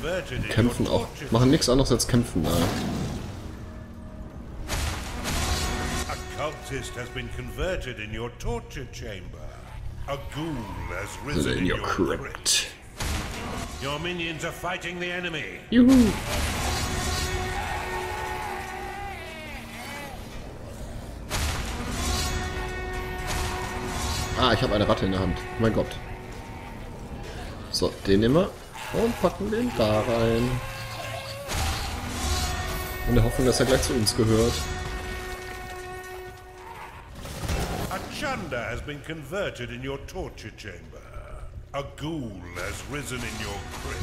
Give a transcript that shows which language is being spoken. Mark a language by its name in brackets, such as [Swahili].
[German] Und kämpfen auch. Machen nichts anderes als kämpfen, ja. [English] A cultist has been converted in your torture chamber. A ghoul has risen in your crypt. Your minions are fighting the enemy. [German] Juhu. Ah, ich habe eine Ratte in der Hand. Mein Gott. So, den nehmen wir und packen den da rein. In der Hoffnung, dass er gleich zu uns gehört. [English] Chanda has been converted in your torture chamber. A ghoul has risen in your crypt.